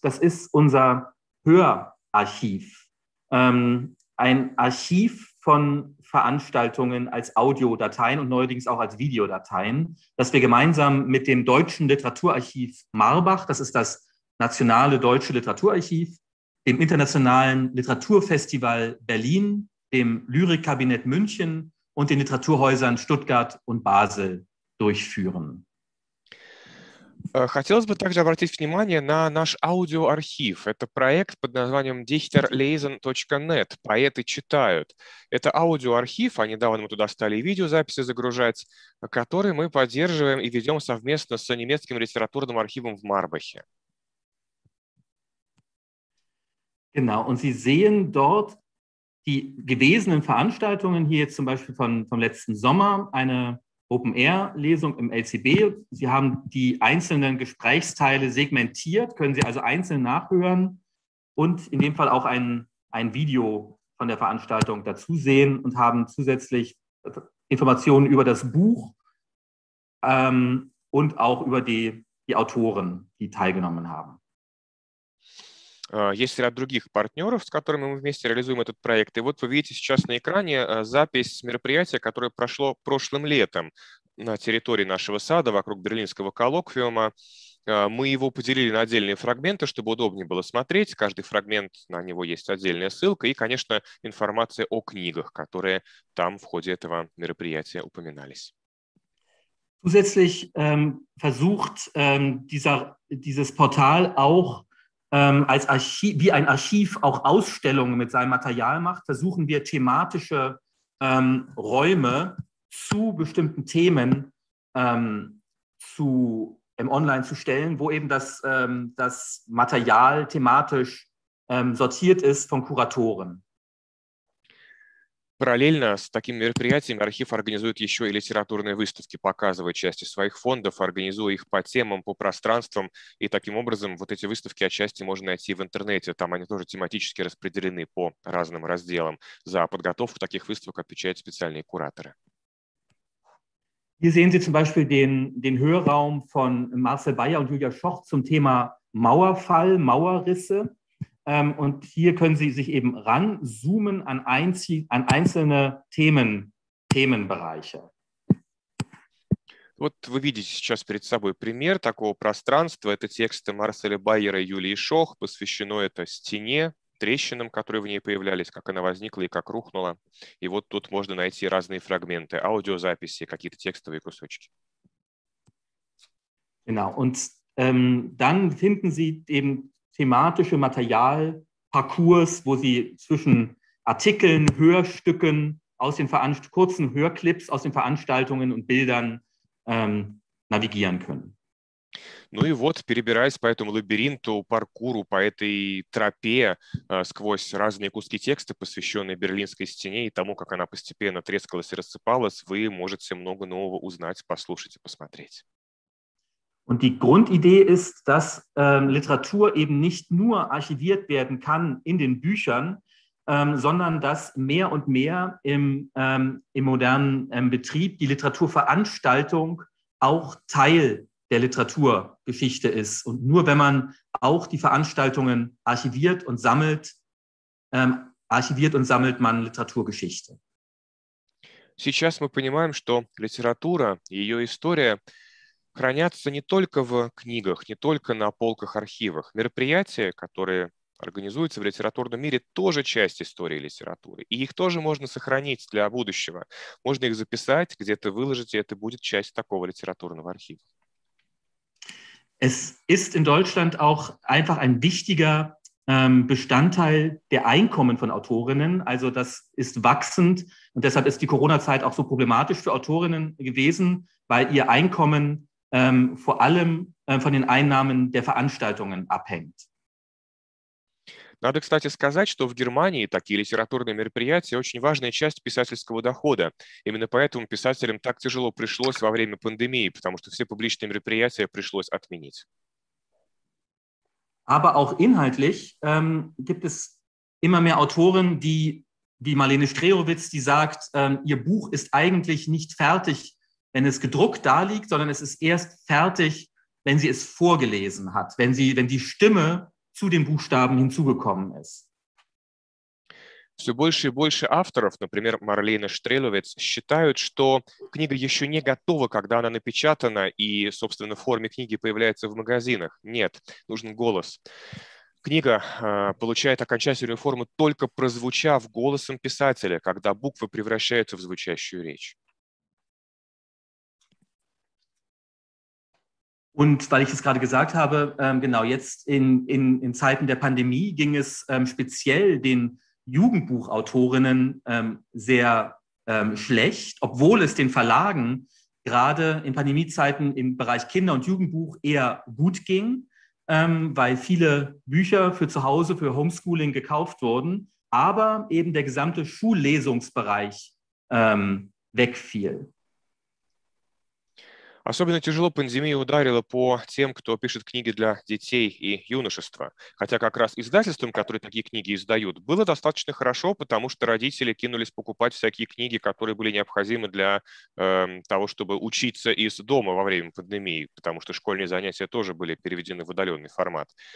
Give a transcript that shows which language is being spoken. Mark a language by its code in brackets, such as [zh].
[de] Das ist unser Hörarchiv. Ein Archiv von Veranstaltungen als Audiodateien und neuerdings auch als Videodateien, das wir gemeinsam mit dem Deutschen Literaturarchiv Marbach, das ist das nationale deutsche Literaturarchiv, dem Internationalen Literaturfestival Berlin, dem Lyrikkabinett München und den Literaturhäusern Stuttgart und Basel durchführen. [ru] Хотелось бы также обратить внимание на наш аудиоархив. Это проект под названием Dichterlesen.net. Поэты читают. Это аудиоархив, а недавно мы туда стали видеозаписи загружать, которые мы поддерживаем и ведем совместно с немецким литературным архивом в Марбахе. [de] Genau, und Sie sehen dort die gewesenen Veranstaltungen, hier jetzt zum Beispiel vom letzten Sommer, eine Open-Air-Lesung im LCB. Sie haben die einzelnen Gesprächsteile segmentiert, können Sie also einzeln nachhören und in dem Fall auch ein Video von der Veranstaltung dazu sehen und haben zusätzlich Informationen über das Buch und auch über die Autoren, die teilgenommen haben. [ru] Есть ряд других партнеров, с которыми мы вместе реализуем этот проект. И вот вы видите сейчас на экране запись мероприятия, которое прошло прошлым летом на территории нашего сада вокруг Берлинского коллоквиума. Мы его поделили на отдельные фрагменты, чтобы удобнее было смотреть. Каждый фрагмент, на него есть отдельная ссылка. И, конечно, информация о книгах, которые там в ходе этого мероприятия упоминались. [de] Zusätzlich versucht dieses Portal auch als Archiv, wie ein Archiv auch Ausstellungen mit seinem Material macht, versuchen wir thematische Räume zu bestimmten Themen im Online zu stellen, wo eben das Material thematisch sortiert ist von Kuratoren. [ru] Параллельно с таким мероприятием архив организует еще и литературные выставки, показывая части своих фондов, организуя их по темам, по пространствам. И таким образом вот эти выставки отчасти можно найти в интернете. Там они тоже тематически распределены по разным разделам. За подготовку таких выставок отвечают специальные кураторы. [de] Hier sehen Sie zum Beispiel den Hörraum von Marcel Bayer und Julia Schoch zum Thema Mauerfall, Mauerrisse. Und hier können Sie sich eben ranzoomen an einzelne Themenbereiche. [ru] Вот вы видите сейчас перед собой пример такого пространства. Это тексты Марселя Байера и Юлии Шох. Посвящено это стене, трещинам, которые в ней появлялись, как она возникла и как рухнула. И вот тут можно найти разные фрагменты, аудиозаписи, какие-то текстовые кусочки. [de] Genau, und dann finden Sie eben thematische Materialparcours, wo Sie zwischen Artikeln, Hörstücken aus den kurzen Hörclips aus den Veranstaltungen und Bildern navigieren können. [ru] Ну и вот, перебираясь по этому лабиринту, паркуру, по этой тропе, сквозь разные куски текста, посвященные Берлинской стене и тому, как она постепенно трескалась и рассыпалась, вы можете много нового узнать, послушать и посмотреть. [de] Und die Grundidee ist, dass Literatur eben nicht nur archiviert werden kann in den Büchern, sondern dass mehr und mehr im modernen Betrieb die Literaturveranstaltung auch Teil der Literaturgeschichte ist. Und nur wenn man auch die Veranstaltungen archiviert und sammelt, man Literaturgeschichte. [ru] Сейчас мы понимаем, что литература, ее история хранятся не только в книгах, не только на полках архивах. Мероприятия, которые организуются в литературном мире, тоже часть истории литературы. И их тоже можно сохранить для будущего. Можно их записать, где-то выложить, и это будет часть такого литературного архива. [de] Es ist in Deutschland auch einfach ein wichtiger Bestandteil der Einkommen von Autorinnen. Also das ist wachsend. Und deshalb ist die Corona-Zeit auch so problematisch für Autorinnen gewesen, weil ihr Einkommen vor allem von den Einnahmen der Veranstaltungen abhängt. [ru] Надо, кстати, сказать, что в Германии такие литературные мероприятия очень важная часть писательского дохода. Именно поэтому писателям так тяжело пришлось во время пандемии, потому что все публичные мероприятия пришлось отменить. [de] aber auch inhaltlich gibt es immer mehr Autoren, die, wie Marlene Streowitz, die sagt, ihr Buch ist eigentlich nicht fertig, wenn es gedruckt da liegt, sondern es ist erst fertig, wenn sie es vorgelesen hat, wenn die Stimme zu den Buchstaben hinzugekommen ist. [ru] Все больше и больше авторов, например, Марлена Штрелевец, считают, что книга еще не готова, когда она напечатана и, собственно, в форме книги появляется в магазинах. Нет, нужен голос. Книга получает окончательную форму, только прозвучав голосом писателя, когда буквы превращаются в звучащую речь. [de] Und weil ich es gerade gesagt habe, genau, jetzt in Zeiten der Pandemie ging es speziell den Jugendbuchautorinnen sehr schlecht, obwohl es den Verlagen gerade in Pandemiezeiten im Bereich Kinder- und Jugendbuch eher gut ging, weil viele Bücher für zu Hause, für Homeschooling gekauft wurden, aber eben der gesamte Schullesungsbereich wegfiel. [ru] Особенно тяжело пандемия ударила по тем, кто пишет книги для детей и юношества. Хотя как раз издательствам, которые такие книги издают, было достаточно хорошо, потому что родители кинулись покупать всякие книги, которые были необходимы для того, чтобы учиться из дома во время пандемии, потому что школьные занятия тоже были переведены в удаленный формат.